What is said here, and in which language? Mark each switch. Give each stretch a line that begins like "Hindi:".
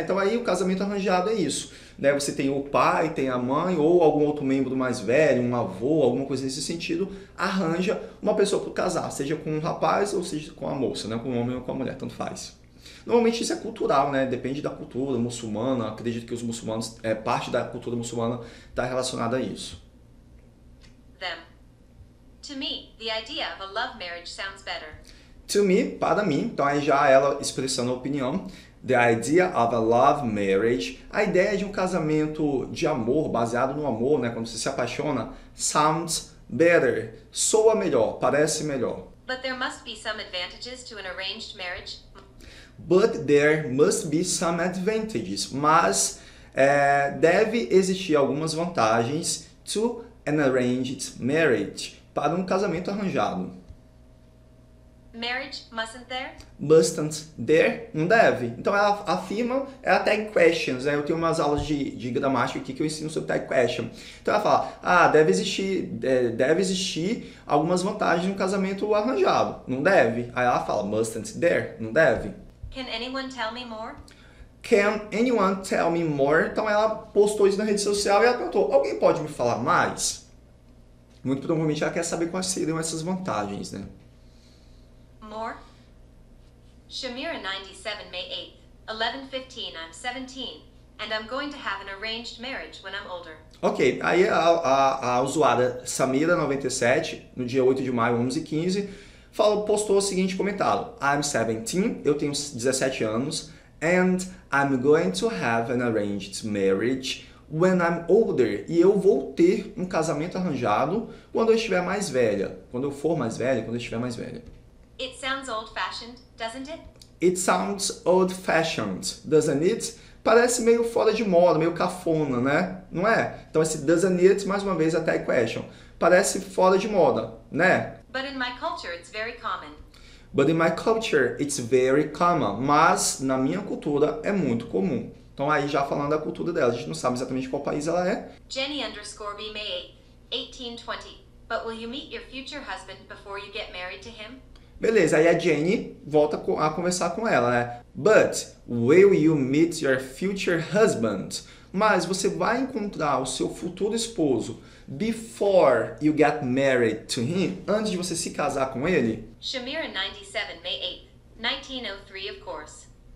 Portuguese: Então aí o casamento arranjado é isso, né? Você tem o pai, tem a mãe, ou algum outro membro mais velho, um avô, alguma coisa nesse sentido, arranja uma pessoa para casar, seja com um rapaz ou seja com a moça, né? Com um homem ou com a mulher, tanto faz. Normalmente isso é cultural, né? Depende da cultura muçulmana, acredito que os muçulmanos, parte da cultura muçulmana está relacionada a isso.
English: Them. To me, the idea of a love marriage sounds better. To me,
Portuguese: para mim, então aí já ela expressando a opinião,
English: the idea of a love marriage,
Portuguese: a ideia de um casamento de amor, baseado no amor, né, quando você se apaixona,
English: sounds better,
Portuguese: soa melhor, parece melhor.
English: But there must be some advantages to an arranged marriage. But there must be some advantages,
Portuguese: mas deve existir algumas vantagens
English: to an arranged marriage,
Portuguese: para um casamento arranjado.
English: Marriage, mustn't there? Mustn't there?
Portuguese: Não deve. Então, ela afirma, é a tag questions, né? Eu tenho umas aulas de gramática aqui que eu ensino sobre tag question. Então, ela fala, deve existir algumas vantagens no casamento arranjado. Não deve. Aí, ela fala,
English: mustn't there?
Portuguese: Não deve.
English: Can anyone tell me more? Can anyone tell me more?
Portuguese: Então, ela postou isso na rede social e ela perguntou, alguém pode me falar mais? Muito provavelmente, ela quer saber quais seriam essas vantagens, né?
English: More. Shamira 97, May 8th, 11:15, I'm 17, And I'm going to have an arranged marriage when I'm older.
Portuguese: Ok, aí a usuária Samira97, no dia 8 de maio, 11h15, falou, postou o seguinte comentário.
English: I'm 17,
Portuguese: eu tenho 17 anos.
English: And I'm going to have an arranged marriage when I'm older.
Portuguese: E eu vou ter um casamento arranjado quando eu estiver mais velha. Quando eu for mais velha, quando eu estiver mais velha.
English: It sounds old-fashioned, doesn't it? It sounds old-fashioned, doesn't it?
Portuguese: Parece meio fora de moda, meio cafona, né? Não é? Então esse
English: doesn't it,
Portuguese: mais uma vez, a tag question. Parece fora de moda, né?
English: But in my culture, it's very common. But in my culture, it's very common.
Portuguese: Mas na minha cultura, é muito comum. Então aí já falando da cultura dela, a gente não sabe exatamente qual país ela é.
English: Jenny underscore BMA, 1820. But will you meet your future husband before you get married to him?
Portuguese: Beleza, aí a Jenny volta a conversar com ela, né?
English: But will you meet your future husband?
Portuguese: Mas você vai encontrar o seu futuro esposo
English: before you get married to him?
Portuguese: Antes de você se casar com ele?
English: Shamira 97, May 8th, 1903, of course.